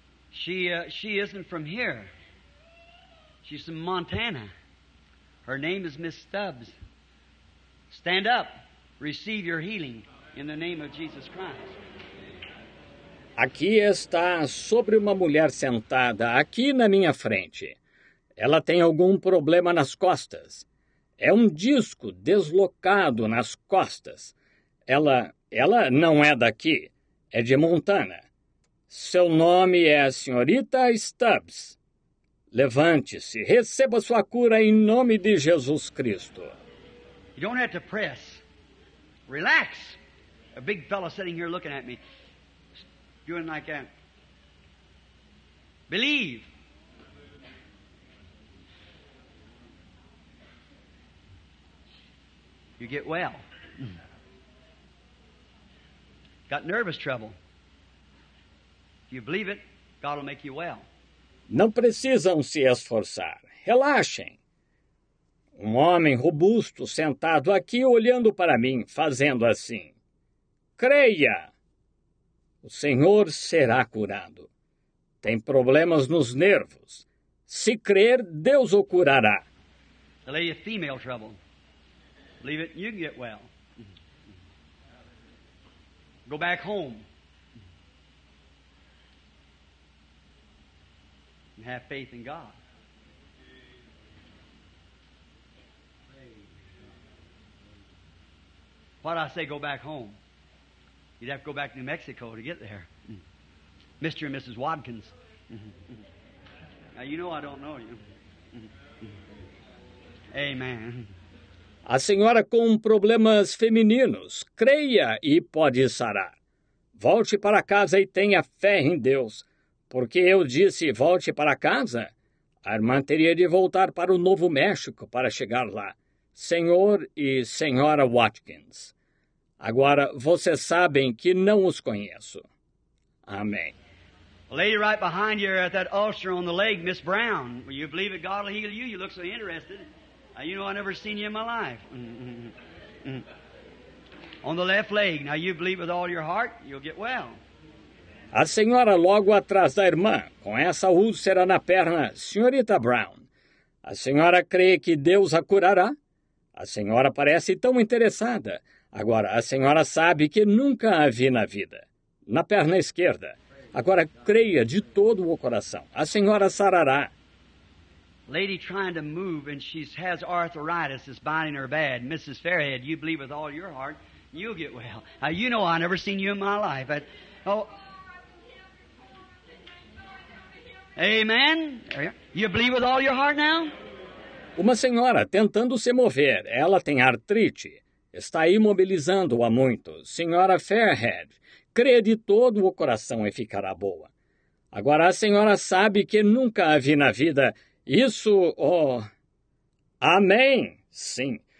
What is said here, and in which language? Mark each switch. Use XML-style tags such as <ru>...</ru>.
<en>She isn't from here. She's from Montana. Her name is Miss Stubbs. Stand up. Receive your healing in the name of Jesus Christ.</en> <pt>Aqui está sobre uma mulher sentada, aqui na minha frente. Ela tem algum problema nas costas. É um disco deslocado nas costas. Ela não é daqui. É de Montana. Seu nome é a senhorita Stubbs. Levante-se, receba sua cura em nome de Jesus Cristo.</pt> <en>You don't have to press. Relax. A big fellow sitting here looking at me. Doing like that. Believe. You get well. Got nervous trouble. If you believe it, God will make you well.</en> <pt>Não precisam se esforçar. Relaxem. Um homem robusto sentado aqui olhando para mim, fazendo assim. Creia. O Senhor será curado. Tem problemas nos nervos. Se crer, Deus o curará.</pt> <en>A lady of female trouble. Believe it, you can get well. Go back home. And have faith in God. Why'd I say go back home? You'd have to go back to New Mexico to get there. Mr. and Mrs. Watkins. Now you know I don't know you. Amen.</en> <pt>A senhora com problemas femininos, creia e pode sarar. Volte para casa e tenha fé em Deus. Porque eu disse, volte para casa? A irmã teria de voltar para o Novo México para chegar lá. Senhor e senhora Watkins. Agora, vocês sabem que não os conheço. Amém.</pt> <en>A lady right behind you at that ulcer on the leg, Miss Brown. Will you believe that God will heal you? You look so interested. You know, I never seen you in my life. On the left leg. Now you believe with all your heart, you'll get well.</en> <pt>A senhora logo atrás da irmã, com essa úlcera na perna, senhorita Brown. A senhora crê que Deus a curará? A senhora parece tão interessada. Agora, a senhora sabe que nunca a vi na vida. Na perna esquerda. Agora, creia de todo o coração. A senhora sarará.</pt> <en>Lady trying to move and she has arthritis that's binding her bad. Mrs. Fairhead, you believe with all your heart, you'll get well. Now, you know I never seen you in my life. But, oh. Amen? You believe with all your heart now?</en> <pt>Uma senhora tentando se mover. Ela tem artrite. Está imobilizando há muito. Senhora Fairhead, crê de todo o coração e ficará boa. Agora a senhora sabe que nunca a vi na vida. Isso, oh... Amém! Sim.</pt>